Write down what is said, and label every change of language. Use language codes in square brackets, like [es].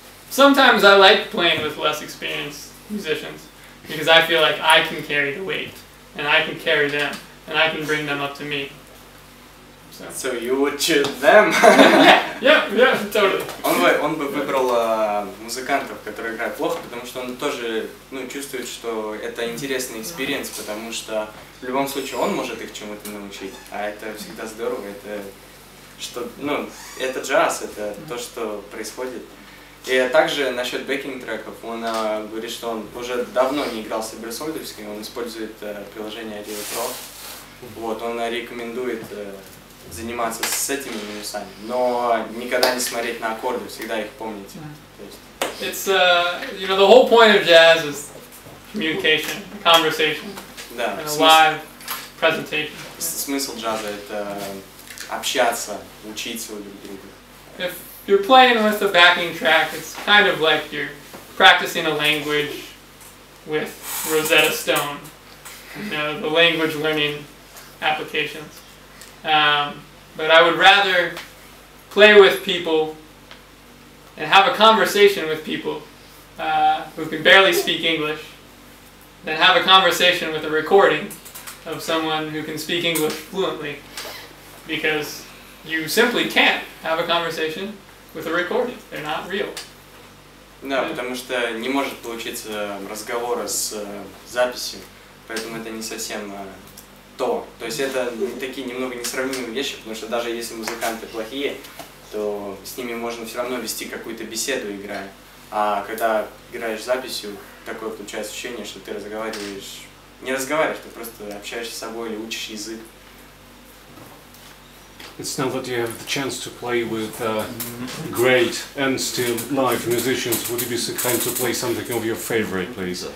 [en] Sometimes I like playing with less experienced musicians because I feel like I can carry the weight and I can carry them and I can bring them up to me. So you would choose them? yeah, totally. [ru] Он бы выбрал музыкантов, которые играют плохо, потому что он тоже, ну, чувствует, что это интересный экспириенс, потому что в любом случае он может их чему-то научить, а это всегда здорово, это что, ну, это джаз, это то, что происходит. И также насчет бэкинг-треков, он говорит, что он уже давно не играл с Аберсольдовским, он использует приложение Aereo Pro. Вот, он рекомендует заниматься с этими минусами, но никогда не смотреть на аккорды, всегда их помнить. [en] It's the whole point of jazz is communication, conversation, [ru] да, [en] and live presentation. [ru] Смысл джаза это общаться, учиться у людей. [en] If you're playing with a backing track, it's kind of like you're practicing a language with Rosetta Stone. You know, the language learning applications. But I would rather play with people and have a conversation with people who can barely speak English than have a conversation with a recording of someone who can speak English fluently, because you simply can't have a conversation with a recording. They're not real. [ru] Да, потому что не может получиться разговора с записью, поэтому это не совсем То есть это такие немного несравнимые вещи, потому что даже если музыканты плохие, то с ними можно все равно вести какую-то беседу, играя. А когда играешь записью, такое получается ощущение, что ты разговариваешь... Не разговариваешь, ты просто общаешься с собой или учишь язык. [en] It's now that you have the chance to play with great and still live musicians, would you be so kind to play something of your favorite, please?